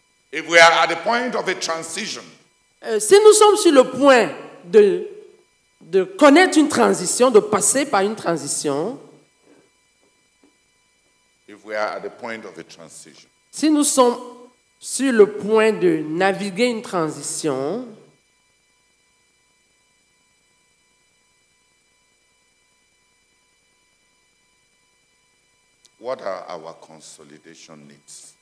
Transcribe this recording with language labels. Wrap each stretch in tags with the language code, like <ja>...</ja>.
<en>If we are at the point of a transition,</en> <fr>si nous sommes sur le point de connaître une transition, de passer par une transition,</fr> <en>if we are at the point of a transition,</en> <fr>si nous sommes sur le point de naviguer une transition,</fr> <en>what are our consolidation needs?</en>